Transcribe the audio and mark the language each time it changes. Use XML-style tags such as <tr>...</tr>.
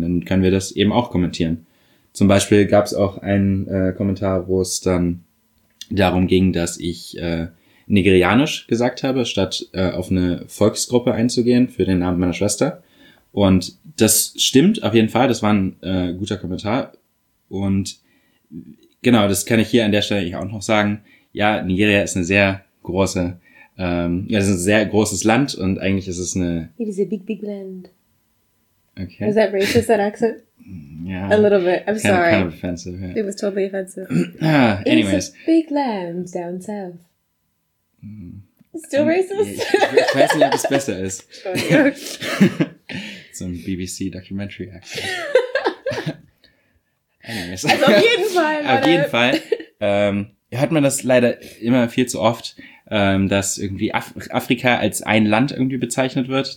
<de>Dann können wir das eben auch kommentieren. Zum Beispiel gab es auch einen Kommentar, wo es dann darum ging, dass ich nigerianisch gesagt habe, statt auf eine Volksgruppe einzugehen für den Namen meiner Schwester. Und das stimmt auf jeden Fall. Das war ein guter Kommentar. Und genau, das kann ich hier an der Stelle auch noch sagen. Ja, Nigeria ist eine sehr große, es ist ein sehr großes Land und eigentlich ist es eine...</de> <en>It is a big, big land. Okay. Was that racist, that accent? Yeah. A little bit. I'm sorry. Kind of offensive, yeah. It was totally offensive. anyways. It's a big land down south. Still racist?</en> <de>Ich weiß nicht, ob es besser ist. So ein BBC Documentary Accent. Also auf jeden Fall. Auf jeden Fall. Hört man das leider immer viel zu oft, dass irgendwie Afrika als ein Land irgendwie bezeichnet wird.</de>